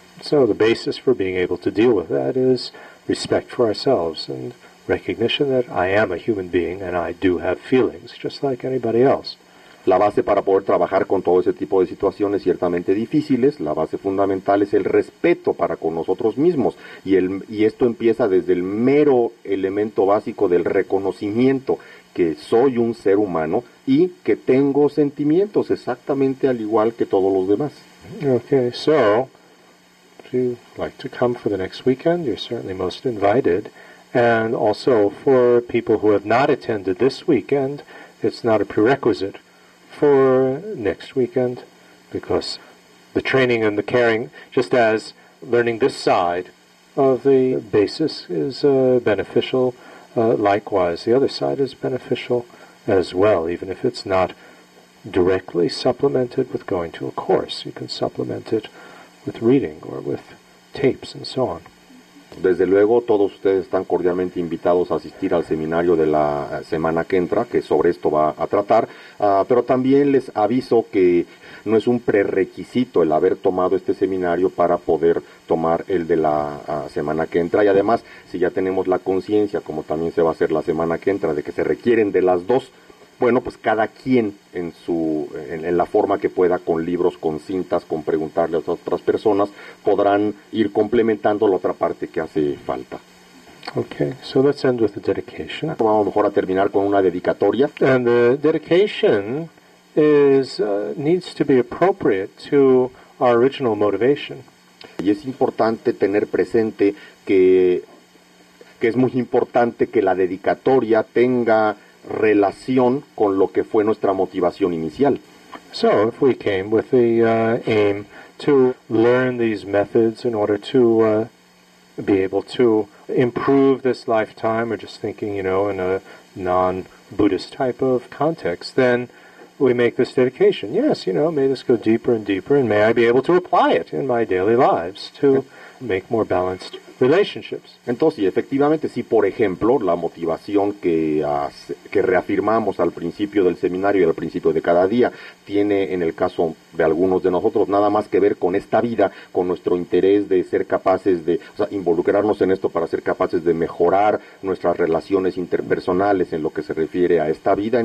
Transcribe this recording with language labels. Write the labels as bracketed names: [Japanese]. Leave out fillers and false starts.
[English] So the basis for being able to deal with that is respect for ourselves and recognition that I am a human being and I do have feelings just like anybody else. [Spanish] La base para poder trabajar con todo ese tipo de situaciones ciertamente difíciles, la base fundamental es el respeto para con nosotros mismos. Y esto empieza desde el mero elemento básico del reconocimiento que soy un ser humano y que tengo sentimientos exactamente al igual que todos los demás. [English] Okay, so, if you'd like to come for the next weekend, you're certainly most invited. And also, for people who have not attended this weekend, it's not a prerequisite for next weekend, because the training and the caring, just as learning this side of the basis is beneficial, likewise the other side is beneficial as well, even if it's not directly supplemented with going to a course. You can supplement it with reading or with tapes and so on. [Spanish] Desde luego, todos ustedes están cordialmente invitados a asistir al seminario de la semana que entra, que sobre esto va a tratar, pero también les aviso que no es un prerequisito el haber tomado este seminario para poder tomar el de la semana que entra. Y además, si ya tenemos la conciencia, como también se va a hacer la semana que entra, de que se requieren de las dos, bueno, pues cada quien en la forma que pueda, con libros, con cintas, con preguntarle a otras personas, podrán ir complementando la otra parte que hace falta. [English] Okay, so let's end with the dedication. [Spanish] Vamos mejor a terminar con una dedicatoria. [English] And the dedication is needs to be appropriate to our original motivation. [Spanish] Y es importante tener presente que es muy importante que la dedicatoria tenga relación con lo que fue nuestra motivación inicial. [English] So, if we came with the aim to learn these methods in order to be able to improve this lifetime, or just thinking, you know, in a non-Buddhist type of context, then we make this dedication. Yes, you know, may this go deeper and deeper, and may I be able to apply it in my daily lives to make more balanced relationships. [Spanish] Entonces, efectivamente, sí, por ejemplo, la motivación que reafirmamos al principio del seminario y al principio de cada día tiene, en el caso de algunos de nosotros, nada más que ver con esta vida, con nuestro interés de ser capaces de, o sea, involucrarnos en esto para ser capaces de mejorar nuestras relaciones interpersonales en lo que se refiere a esta vida.